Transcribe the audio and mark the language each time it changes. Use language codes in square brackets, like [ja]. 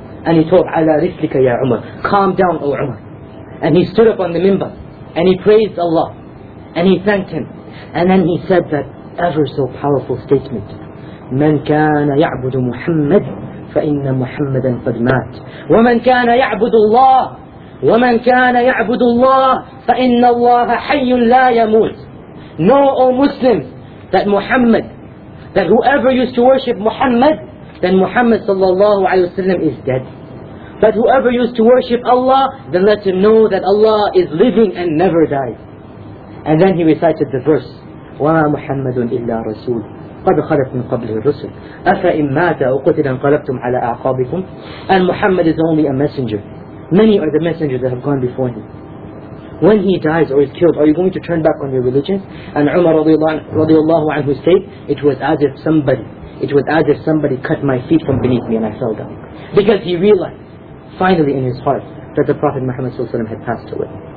[en] And he told, [ar] عَلَى رِسْلِكَ يَا عُمَر, [en] calm down, O Umar. And he stood up on the minbar, and he praised Allah, and he thanked him, and then he said that ever so powerful statement, [ar] مَنْ كَانَ يَعْبُدُ مُحَمَّدٍ فَإِنَّ مُحَمَّدًا قَدْ مَاتْ وَمَنْ كَانَ يَعْبُدُ اللَّهِ وَمَنْ كَانَ يَعْبُدُ اللَّهِ فَإِنَّ اللَّهَ حَيٌّ لَا يَمُوتْ. [en] Know, O Muslims, that Muhammad, that whoever used to worship Muhammad, then Muhammad sallallahu alayhi wa sallam is dead. But whoever used to worship Allah, then let him know that Allah is living and never dies. And then he recited the verse, [ar] وَمَا مُحَمَّدٌ إِلَّا رَسُولٌ قَدْ خَلَتْ مِنْ قَبْلِهِ الرُّسُلُ أَفَإِنْ مَاتَ أَوْ قُتِلَ انْقَلَبْتُمْ عَلَىٰ أَعْقَابِكُمْ. [en] And Muhammad is only a messenger. Many are the messengers that have gone before him. When he dies or is killed, are you going to turn back on your religion? And Umar radiallahu anhu said, it was as if somebody cut my feet from beneath me and I fell down. Because he realized, finally in his heart, that the Prophet Muhammad ﷺ had passed away.